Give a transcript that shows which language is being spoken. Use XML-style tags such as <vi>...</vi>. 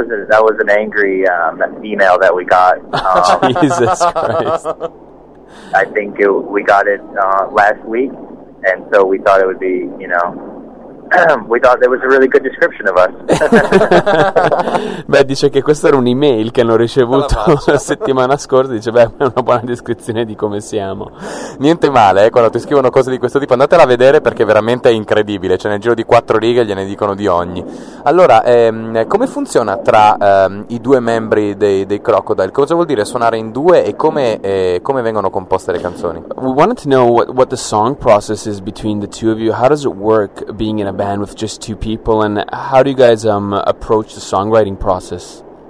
<en>that was an angry email that we got. Jesus Christ! I think we got it last week, and so we thought it would be, you know. We thought there was a really good description of us.</en> <it>Dice che questa era un'email che hanno ricevuto la settimana scorsa. Dice, è una buona descrizione di come siamo. Niente male, quando ti scrivono cose di questo tipo. Andatela a vedere perché veramente è incredibile. Cioè, nel giro di quattro righe gliene dicono di ogni. Allora, come funziona tra i due membri dei Crocodile? Cosa vuol dire suonare in due e come vengono composte le canzoni?</it> <en>We wanted to know what the song process is between the two of you. How does it work being in a band with just two people, and how do you guys approach the songwriting process?</en>